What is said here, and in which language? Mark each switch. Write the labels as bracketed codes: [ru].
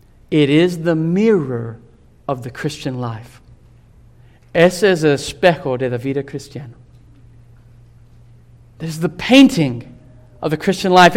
[en] It is the mirror of the Christian life. [es] Ese es el espejo de la vida cristiana. [en] This is the painting of the Christian life.